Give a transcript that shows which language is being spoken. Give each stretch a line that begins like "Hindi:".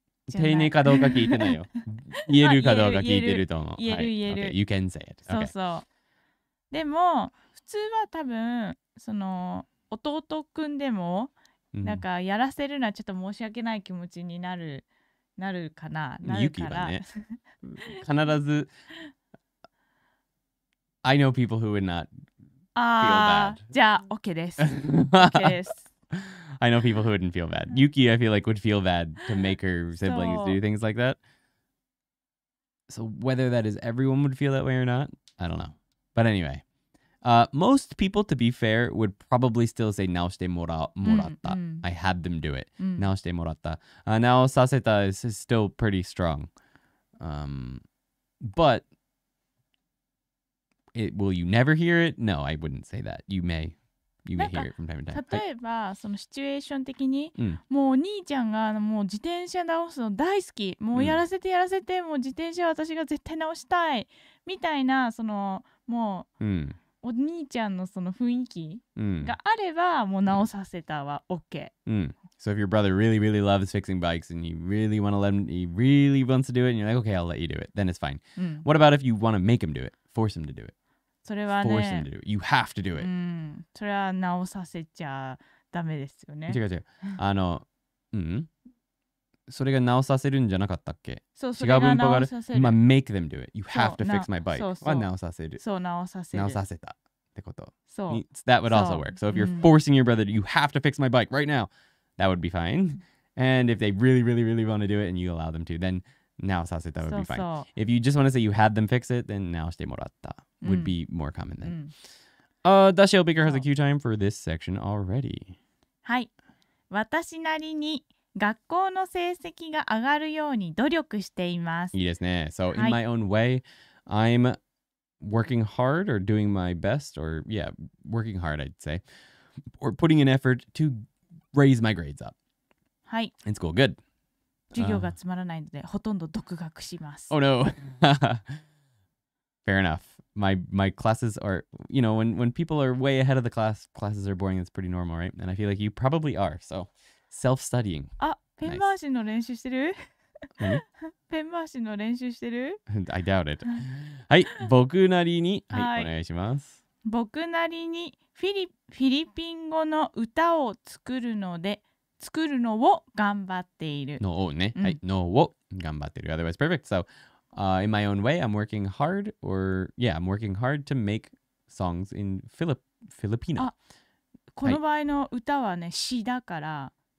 Japanese: 丁寧かどうか聞いてないよ。言えるかどうか聞いてると思う。言える、言える。
English: You can say it.
Japanese: そうそう。でも、普通は多分、その、弟くんでも、なんか、やらせるのはちょっと申し訳ない気持ちになる。なるかな、なるから。ね、必ず、
English: I know people who would not feel bad.
Japanese: じゃあ、OK です。OK です。
English: I know people who wouldn't feel bad. Yuki, I feel like, would feel bad to make her siblings do things like that. So whether that is everyone would feel that way or not, I don't know. But anyway, most people, to be fair, would probably still say
Japanese: 直してもらった。
English: Mm-hmm. I had them do it.
Japanese: 直してもらった。直させた
English: is still pretty strong. But will you never hear it? No, I wouldn't say that. You may. You may hear it from time to time.
Japanese: 例えば、はい、そのシチュエーション的に、もうお兄ちゃんがもう自転車直すの大好き。もうやらせてやらせて、もう自転車私が絶対直したい。みたいな、その、もう、お兄ちゃんのその雰囲気があれば、もう直させたは OK。
English: So if your brother really, really loves fixing bikes and you really want to let him, he really wants to do it, and you're like, okay, I'll let you do it, then it's fine.、What about if you want to make him do it? Force him to do it.
Japanese: それはね、
English: force him to do it. You have to do it.、
Japanese: それは直させちゃダメですよね。違う違う。それが直させるんじゃなかったっけ？そう、それが直させる。違う文法がある。
English: まあ、make them do it. You have to fix my bike.
Japanese: そうそう。は直させる。そう、直させる。直させたってこと。そう。
English: That would also work. So if you're forcing your brother, you have to fix my bike right now, that would be fine. And if they really, really, really want to do it and you allow them to, then
Japanese: 直させた
English: would be fine. If you just want to say you had them fix it, then
Japanese: 直してもらった
English: would be more common then. Dashi Elbaker has a cue time for this section already.
Japanese: はい。私なりに学校の成績が上がるように努力しています。いいですね。
English: So, in my own way, I'm working hard or doing my best, or yeah, working hard, I'd say, or putting an effort to raise my grades up.
Japanese: はい。
English: In school, good.
Japanese: 授業がつまらないので、ほとんど独学します。
English: Oh, no. Fair enough. My classes are, you know, when people are way ahead of the class, classes are boring. It's pretty normal, right? And I feel like you probably are, so... Self-studying.
Japanese: Ah, pen wash しの練習してる?Pen wash しの練習してる?
English: I doubt it.
Japanese: はい、僕なりに、はい、お願いします。僕なりにフィリピン語の歌を作るのを頑張っている。のをね、はい、のを頑張ってる。
English: Otherwise, perfect. So, in my own way, I'm working hard, or yeah, I'm working hard to make songs in Filipino.
Japanese: あ、この場合の歌はね、詩だから。